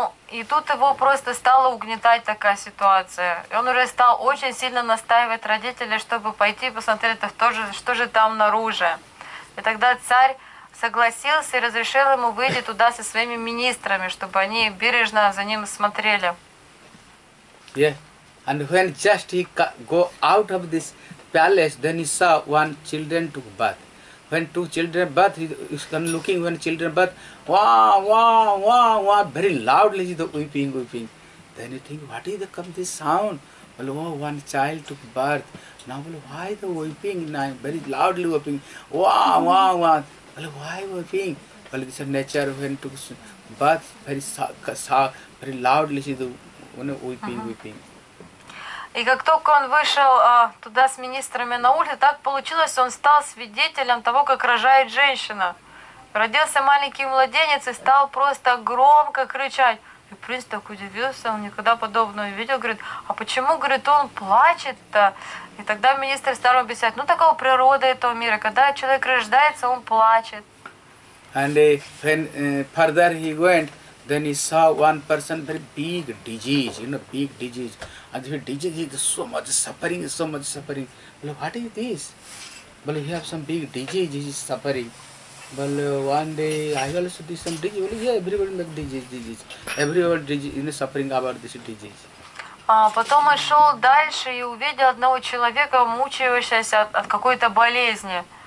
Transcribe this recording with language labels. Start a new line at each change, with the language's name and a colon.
Russian: И тут его просто стала угнетать такая ситуация. И он уже стал очень сильно настаивать родителей, чтобы пойти посмотреть, что же там наружу. И тогда царь согласился и разрешил ему выйти туда со своими министрами, чтобы они бережно за ним смотрели.
English: Yeah. And when just he go out of this palace, then he saw one children took bath. When two children birth, he is looking when children birth, wah, very loudly the weeping. Then you think, what is the come this sound? Well, oh, one child took birth. Now, well, why the weeping? Now, very loudly weeping. Wah. Well, why weeping? Well, this is nature when took birth, very very loudly the weeping.
Russian: И как только он вышел туда с министрами на улице, так получилось, он стал свидетелем того, как рожает женщина. Родился маленький младенец и стал просто громко кричать. И принц так удивился, он никогда подобного не видел. Говорит, а почему, говорит, он плачет-то? И тогда министр стал объяснять, ну такова природа этого мира, когда человек рождается, он плачет.
English: And when further he went, then he saw one person very big disease, you know, big disease. And the disease is so much suffering, so much suffering. Well, what is this? Well, he has some big disease, he is suffering. Well, one day I also did some disease. Well, yeah, everybody has disease. Everyone disease, you know, suffering about this disease.
Russian: Потом он шел дальше и увидел одного человека, мучающегося от какой-то болезни.